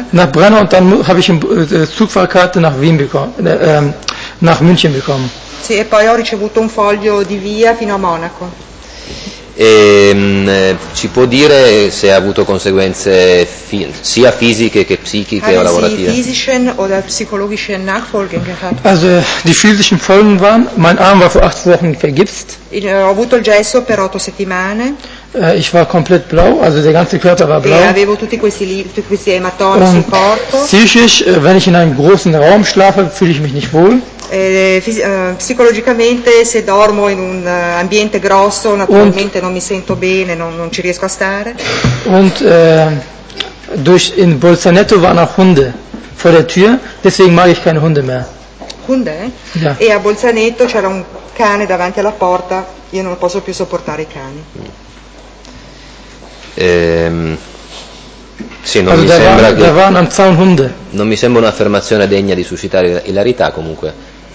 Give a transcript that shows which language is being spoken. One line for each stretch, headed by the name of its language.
German: Nach Brenner und dann habe ich eine Zugfahrkarte nach Wien bekommen, nach München bekommen.
Italian: Sì, e poi ho ricevuto un foglio di via fino a Monaco. E, ci può dire se ha avuto conseguenze sia fisiche che psichiche o lavorative?
German: Sì, physischen oder psychologischen Nachfolgen gehabt. Also, die physischen Folgen waren, mein Arm war für 8 Wochen vergipst.
Italian: Ho avuto il gesso per 8 settimane.
German: Ich war komplett blau, also der ganze Körper war blau.
Italian: E avevo tutti questi ematomi sul corpo.
German: Psychisch, wenn ich in einem großen Raum schlafe, fühle ich mich nicht wohl.
Italian: Psicologicamente, se dormo in un ambiente grosso, naturalmente non mi sento bene, non ci riesco a stare.
German: Und in Bolzaneto waren auch Hunde vor der Tür, deswegen mag ich keine Hunde mehr. Hunde? Ja.
Italian: E a Bolzaneto c'era un cane davanti alla porta, io non posso più sopportare i cani. Sì, non, also mi sembra che, Hunde. Non mi sembra un'affermazione degna di suscitare ilarità comunque.